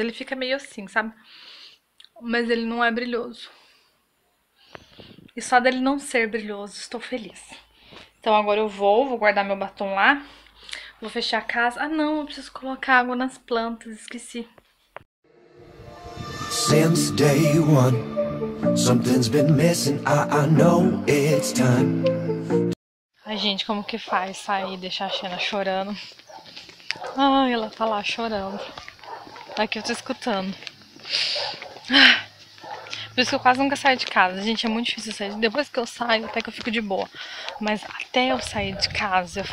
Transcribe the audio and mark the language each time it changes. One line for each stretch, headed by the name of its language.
Portuguese: Ele fica meio assim, sabe? Mas ele não é brilhoso. E só dele não ser brilhoso, estou feliz. Então agora eu vou guardar meu batom lá. Vou fechar a casa. Ah não, eu preciso colocar água nas plantas, esqueci.
English: Since day one, something's been missing. I know it's time.
Portuguese: Ai gente, como que faz sair e deixar a Xena chorando? Ai, ela tá lá chorando. Aqui eu tô escutando. Por isso que eu quase nunca saio de casa. Gente, é muito difícil sair. Depois que eu saio, até que eu fico de boa. Mas até eu sair de casa, eu...